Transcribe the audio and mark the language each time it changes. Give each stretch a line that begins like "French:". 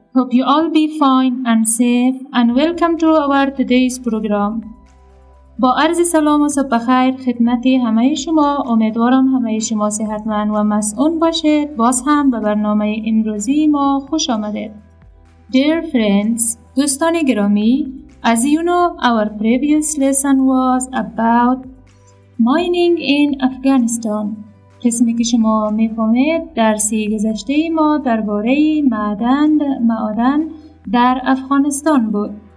English: Hope you all be fine and safe, and welcome to our today's program.
Persian: با عرض سلام و صبح خیر خدمت همه شما، امیدوارم همه شما صحتمند و مسئول باشید. باز هم به برنامه امروزی ما خوش آمدید.
English: Dear friends,
Persian: دوستان گرامی,
English: as you know, our previous lesson was about mining in Afghanistan.
Persian: قسمی که شما می فهمید درسی گذشته ما درباره معادن در افغانستان بود.